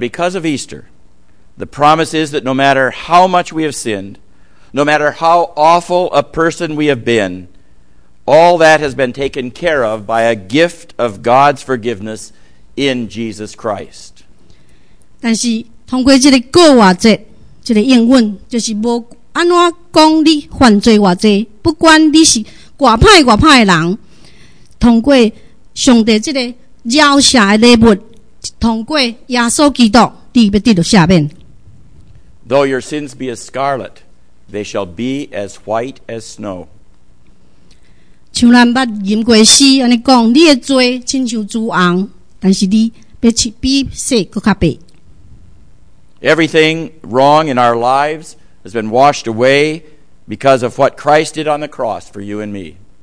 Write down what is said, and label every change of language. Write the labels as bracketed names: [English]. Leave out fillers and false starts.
[English] because of Easter, the promise is that no matter how much we have sinned, no matter how awful a person we have been, all that has been taken care of by a gift of God's forgiveness in Jesus Christ. [Min Nan Chinese] 但是通过这个过话节这个应允就是无安怎讲你犯罪偌济，不管你是偌歹偌歹的人，通过上帝这个饶恕的礼物，通过耶稣基督，你要得到赦免。 [English] Though your sins be as scarlet, they shall be as white as snow. [Min Nan Chinese] 像咱捌吟过诗安尼讲，你的罪亲像朱红，但是你要比雪搁较白。 [English] Everything wrong in our lives has been washed away because of what Christ did on the cross for you and me.